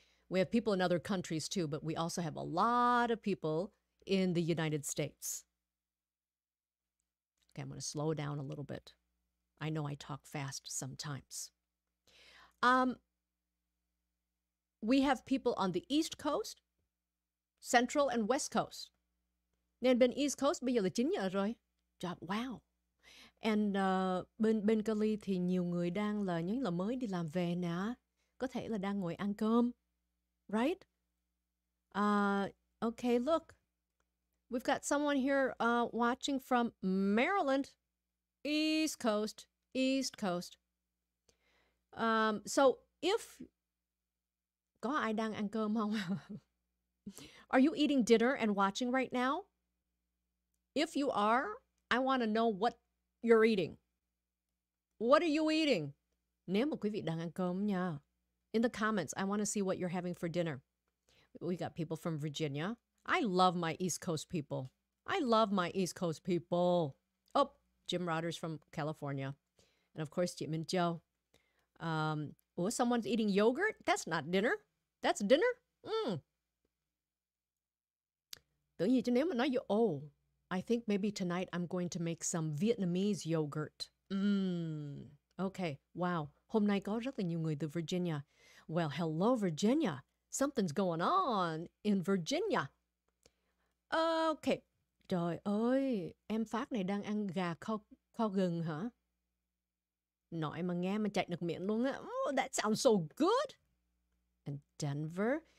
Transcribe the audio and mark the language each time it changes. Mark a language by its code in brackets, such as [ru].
[en] We have people in other countries too, but we also have a lot of people in the United States. Okay, I'm going to slow down a little bit. I know I talk fast sometimes. We have people on the East Coast, Central and West Coast. [vi] Nên bên East Coast bây giờ là 9 giờ rồi. [en] Wow. [vi] And bên bên Cali thì nhiều người đang là nhớ là mới đi làm về nè. Có thể là đang ngồi ăn cơm. [en] Right? Okay, look. We've got someone here watching from Maryland. East Coast, East Coast. So if [vi] có ai đang ăn cơm không? [en] Are you eating dinner and watching right now? If you are, I want to know what you're eating. What are you eating? [vi] Nếu mà quý vị đang ăn cơm nha. [en] In the comments, I want to see what you're having for dinner. We got people from Virginia. I love my East Coast people. I love my East Coast people. Oh, Jim Rodgers from California. And of course, Chị Minh Châu. Oh, someone's eating yogurt? That's not dinner. That's dinner? [vi] Tưởng gì chứ nếu mà nói vô. [en] Oh, I think maybe tonight I'm going to make some Vietnamese yogurt. Okay, wow. [vi] Hôm nay có rất là nhiều người từ Virginia. [en] Well, hello, Virginia. Something's going on in Virginia. Okay. [vi] Trời ơi, em Phát này đang ăn gà kho kho gừng hả? Nói mà nghe mà chạy nước miệng luôn á. [en] That sounds so good. And Denver.